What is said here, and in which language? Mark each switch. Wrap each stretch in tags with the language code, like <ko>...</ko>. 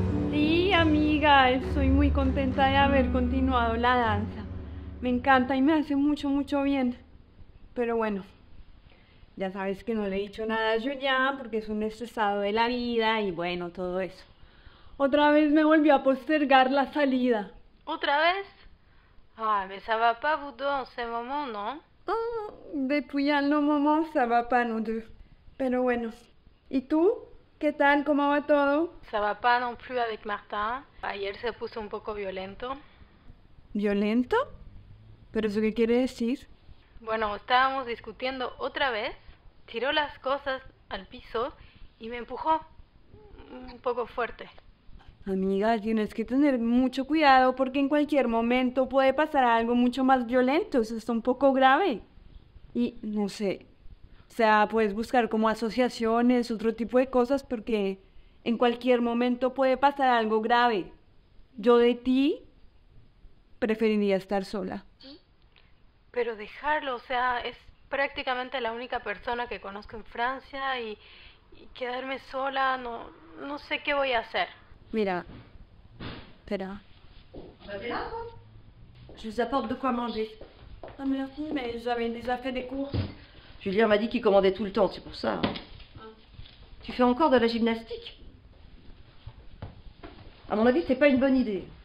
<es>Sí, amiga, estoy muy contenta de haber continuado la danza. Me encanta y me hace mucho, mucho bien. Pero bueno. Ya sabes que no le he dicho nada a Julián porque es un estresado de la vida y bueno, todo eso. Otra vez me volvió a postergar la salida. ¿Otra vez?</es> <fr>Ah, mais ça va pas vous deux en ce moment, non? Oh, depuis un moment, ça va pas nous deux.</fr> <es>Pero bueno. ¿Y tú? ¿Qué tal? ¿Cómo va todo?</es> <fr>Ça va pas non plus avec Martin.</fr> <es>Ayer se puso un poco violento. ¿Violento? ¿Pero eso qué quiere decir? Bueno, estábamos discutiendo otra vez, tiró las cosas al piso y me empujó un poco fuerte. Amiga, tienes que tener mucho cuidado porque en cualquier momento puede pasar algo mucho más violento, eso es un poco grave. Y no sé, o sea, puedes buscar como asociaciones, otro tipo de cosas porque en cualquier momento puede pasar algo grave. Yo de ti preferiría estar sola. Pero dejarlo, o sea, es prácticamente la única persona que conozco en Francia y quedarme sola, no sé qué voy a hacer. Mira, espera.</es> <fr>Je vous apporte de quoi manger. Ah merci, mais j'avais déjà fait des courses. Julien m'a dit qu'il commandait tout le temps, c'est pour ça. Hein. Tu fais encore de la gymnastique? À mon avis, c'est pas une bonne idée.</fr>